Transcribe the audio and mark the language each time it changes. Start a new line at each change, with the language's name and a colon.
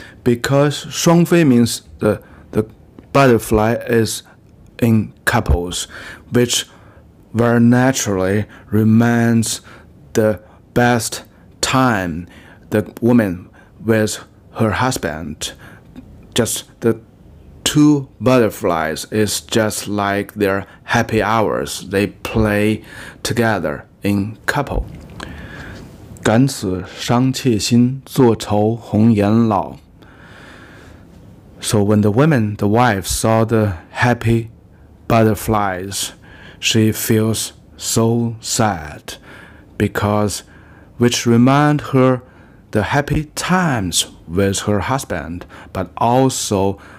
English: Because 双飞 means the butterfly is in couples, which very naturally remains the best time the woman with her husband. Just the two butterflies is just like their happy hours. They play together in couple.
Chinese: 感此伤妾心，作愁红颜老。
English: So when the women, the wife, saw the happy butterflies, she feels so sad, because which remind her the happy times with her husband, but also